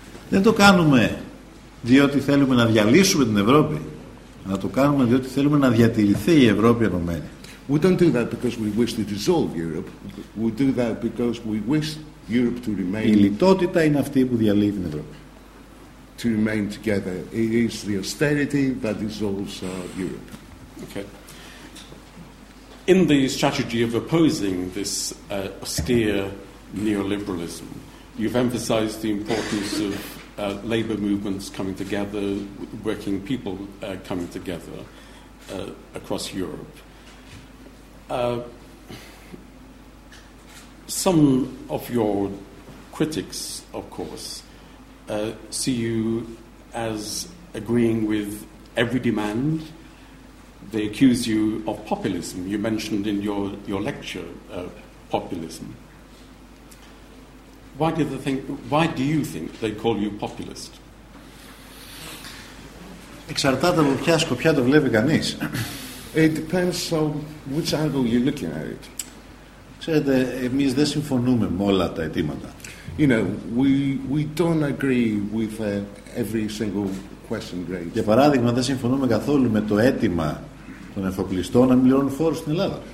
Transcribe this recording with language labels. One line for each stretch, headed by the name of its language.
Greek: Δεν το κάνουμε διότι θέλουμε να διαλύσουμε την Ευρώπη, να το κάνουμε διότι θέλουμε να διατηρηθεί η Ευρώπη ενωμένη.
English: We don't do that because we wish to dissolve Europe. We do that because we wish Europe to remain.
Greek: Η λιτότητα είναι αυτή που διαλύει την Ευρώπη.
English: To remain together. It is the austerity that dissolves Europe. Okay. In the strategy of opposing this austere neoliberalism, you've emphasized the importance of labor movements coming together, working people coming together across Europe. Some of your critics, of course, see you as agreeing with every demand. They accuse you of populism. You mentioned in your lecture populism. Why do you think they call you populist?
Greek: Εξαρτάται από ποια σκοπιά το βλέπει κανείς.
English: It depends on which angle you're looking at it.
Greek: Ξέρετε, εμείς δεν συμφωνούμε με όλα τα αιτήματα.
English: You know, we don't agree with every single question raised.
Greek: Για παράδειγμα, δεν συμφωνούμε καθόλου με το αίτημα των εφοπλιστών να μην πληρώνουν φόρους στην Ελλάδα.